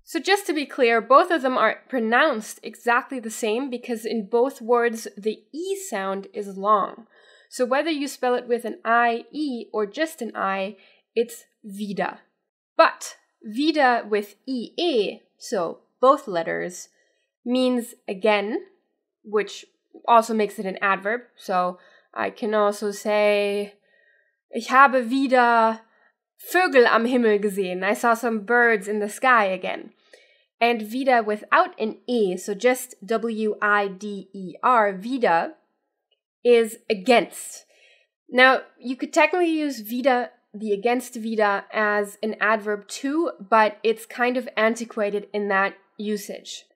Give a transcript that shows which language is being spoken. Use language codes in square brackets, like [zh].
[en] So just to be clear, both of them are pronounced exactly the same because in both words, the E sound is long. So whether you spell it with an I-E or just an I, it's wieder. But wieder with ie, so both letters, means again, which also makes it an adverb. So I can also say, [de] ich habe wieder Vögel am Himmel gesehen. [en] I saw some birds in the sky again. And wieder without an e, so just w-i-d-e-r, wieder, is against. Now, you could technically use wieder, the against wieder, as an adverb too, but it's kind of antiquated in that usage.